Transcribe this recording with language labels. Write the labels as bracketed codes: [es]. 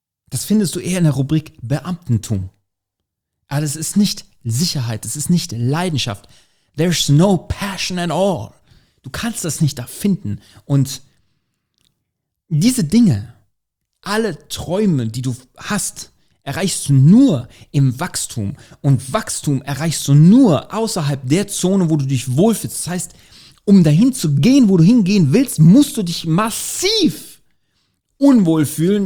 [de] Das findest du eher in der Rubrik Beamtentum. Aber das ist nicht Sicherheit, das ist nicht Leidenschaft. [en] There's no passion at all. [de] Du kannst das nicht da finden. Und diese Dinge, alle Träume, die du hast, erreichst du nur im Wachstum. Und Wachstum erreichst du nur außerhalb der Zone, wo du dich wohlfühlst. Das heißt, um dahin zu gehen, wo du hingehen willst, musst du dich massiv unwohl fühlen.